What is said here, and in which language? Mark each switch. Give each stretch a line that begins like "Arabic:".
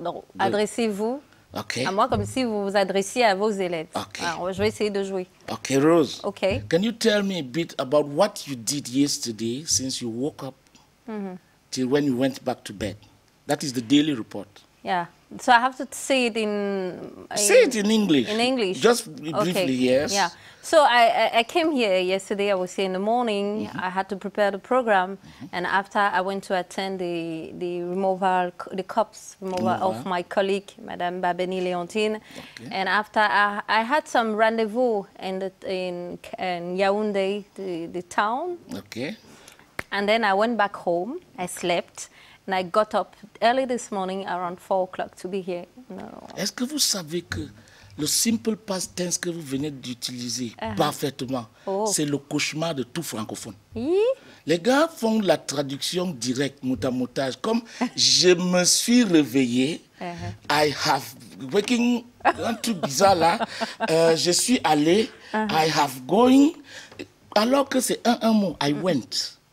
French: Donc, adressez-vous à moi comme si vous vous adressiez à vos élèves. Alors, je vais essayer de jouer.
English: OK, Rose. OK. Can you tell me a bit about what you did yesterday since you woke up till when you went back to bed? That is the daily report. Yeah. So I have to say it in... Say it in English. In English. Just briefly, okay. Yes. Yeah. So I came here yesterday. I was here in the morning. Mm-hmm. I had to prepare the program. Mm-hmm. And after, I went to attend the removal, the cops removal of my colleague, Madame Babeny-Leontine. Okay. And after, I had some rendezvous in Yaoundé, the town. Okay. And then I went back home. I slept. And I got up early this morning around 4 o'clock to be here. No.
French: Est-ce que vous savez que le simple past tense que vous venez d'utiliser parfaitement, c'est le cauchemar de tout francophone. Les gars font la traduction directe, mutamutage, comme je me suis réveillé,
English: I have waking,
French: un truc bizarre là, je suis allé,
English: I have going,
French: alors que c'est un mot,
English: I went.